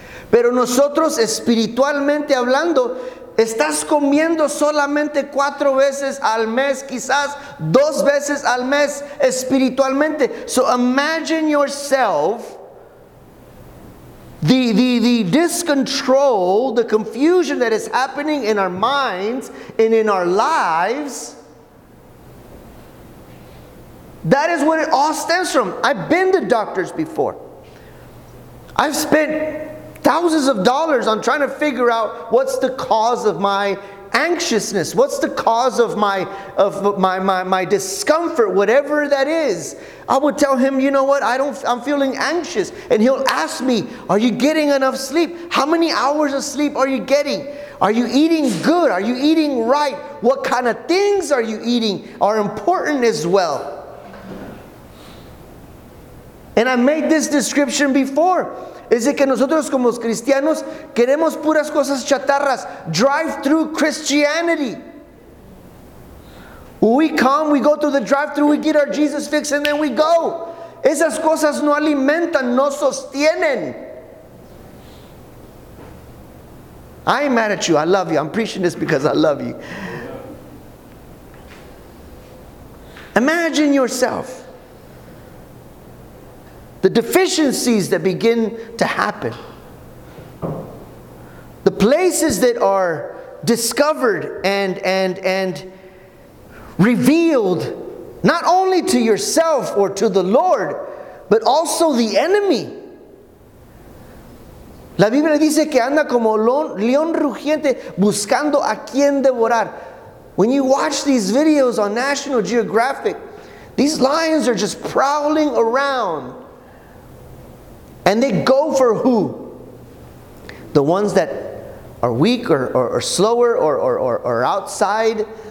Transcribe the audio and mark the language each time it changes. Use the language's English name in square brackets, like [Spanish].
[Spanish] Pero nosotros, espiritualmente hablando, estás comiendo solamente cuatro veces al mes, quizás dos veces al mes espiritualmente. [English] So imagine yourself, the discontrol, the confusion that is happening in our minds and in our lives. That is what it all stems from. I've been to doctors before. I've spent thousands of dollars on trying to figure out what's the cause of my anxiousness, what's the cause of my discomfort, whatever that is. I would tell him, you know what, I'm feeling anxious. And he'll ask me, are you getting enough sleep? How many hours of sleep are you getting? Are you eating good? Are you eating right? What kind of things are you eating are important as well. And I made this description before. [Spanish] Es de que nosotros como cristianos queremos puras cosas chatarras. [English] Drive-through Christianity. We come, we go through the drive-through, we get our Jesus fix, and then we go. [Spanish] Esas cosas no alimentan, no sostienen. [English] I ain't mad at you. I love you. I'm preaching this because I love you. Imagine yourself. The deficiencies that begin to happen. The places that are discovered and revealed, not only to yourself or to the Lord, but also the enemy. [Spanish] La Biblia dice que anda como león rugiente buscando a quien devorar. [English] When you watch these videos on National Geographic, these lions are just prowling around. And they go for who? The ones that are weak or slower or outside.